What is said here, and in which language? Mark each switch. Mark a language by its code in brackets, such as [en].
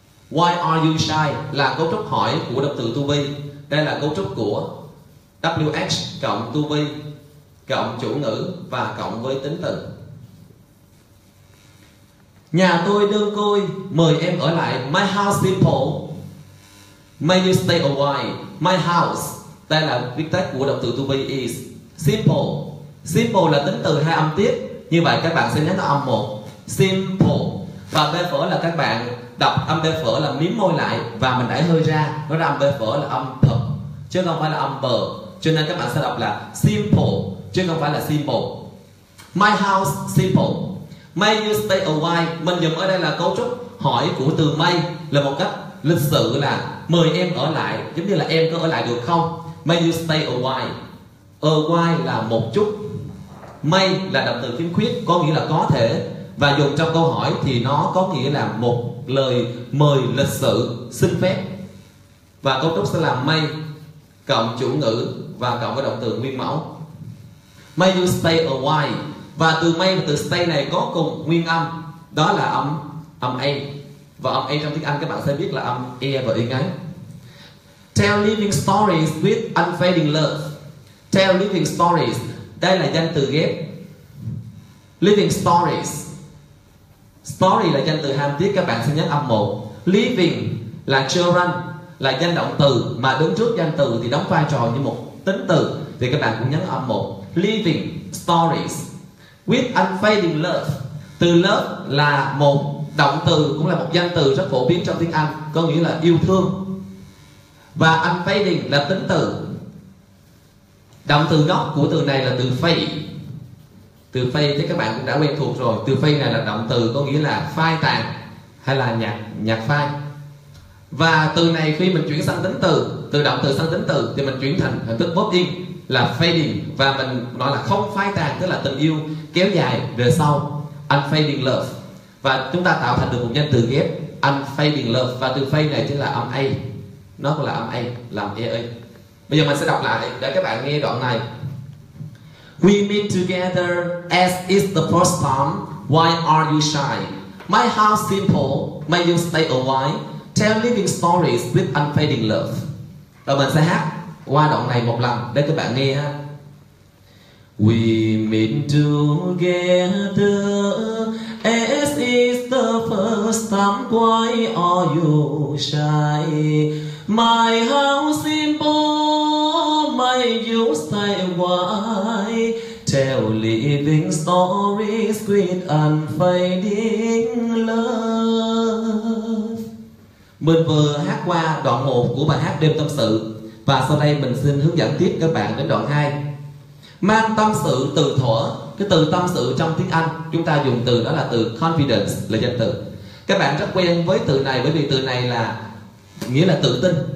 [en] Why are you shy? [vi] Là cấu trúc hỏi của động từ to be. Đây là cấu trúc của WH cộng to be cộng chủ ngữ và cộng với tính từ. Nhà tôi đơn côi, mời em ở lại. [en] My house simple, may you stay a while. My house, [vi] đây là viết tắt của động từ to be is simple. Simple là tính từ hai âm tiết. Như vậy các bạn sẽ nhắc nó âm 1 simple. Và bê phở là các bạn đọc âm bê phở là mím môi lại và mình đẩy hơi ra, nó ra âm bê phở là âm p chứ không phải là âm bờ, cho nên các bạn sẽ đọc là simple chứ không phải là simple. [en] My house simple, may you stay a while. [vi] Mình dùng ở đây là cấu trúc hỏi của từ may, là một cách lịch sự là mời em ở lại, giống như là em có ở lại được không. [en] May you stay a while. [vi] A while là một chút, may là động từ khiếm khuyết có nghĩa là có thể, và dùng trong câu hỏi thì nó có nghĩa là một lời mời lịch sự, xin phép. Và cấu trúc sẽ là may cộng chủ ngữ và cộng với động từ nguyên mẫu. [en] May you stay a while. [vi] Và từ may và từ stay này có cùng nguyên âm, đó là âm A. Và âm A trong tiếng Anh các bạn sẽ biết là âm E và Y ngắn. [en] Tell living stories with unfading love. Tell living stories, [vi] đây là danh từ ghép. [en] Living stories, [vi] story là danh từ hàm tiết, các bạn sẽ nhắc âm 1. Living là children, là danh động từ mà đứng trước danh từ thì đóng vai trò như một tính từ, thì các bạn cũng nhấn âm 1. [en] Living stories with unfading love. [vi] Từ love là một động từ, cũng là một danh từ rất phổ biến trong tiếng Anh, có nghĩa là yêu thương. Và unfading là tính từ, động từ gốc của từ này là từ fade. Từ fade thì các bạn cũng đã quen thuộc rồi. Từ fade này là động từ có nghĩa là phai tàn hay là nhạt phai. Và từ này khi mình chuyển sang tính từ, từ động từ sang tính từ thì mình chuyển thành hình thức verb in là fading. Và mình nói là không phai tàn, tức là tình yêu kéo dài về sau, [en] unfading love. [vi] Và chúng ta tạo thành được một danh từ ghép [en] unfading love. [vi] Và từ fade này chính là âm A, nó cũng là âm A, làm E. Bây giờ mình sẽ đọc lại để các bạn nghe đoạn này. [en] We meet together as is the first time, why are you shy? My house simple, may you stay a while. Tell living stories with unfading love. [vi] Và mình sẽ hát qua đoạn này một lần để các bạn nghe ha. [en] We meet together as is the first time, why are you shy? My house simple, may you stay a while. Tell living stories with unfading love. [vi] Mình vừa hát qua đoạn 1 của bài hát Đêm Tâm Sự. Và sau đây mình xin hướng dẫn tiếp các bạn đến đoạn 2. Mang tâm sự từ thuở. Cái từ tâm sự trong tiếng Anh chúng ta dùng từ đó là từ confidence, là danh từ. Các bạn rất quen với từ này bởi vì từ này là nghĩa là tự tin.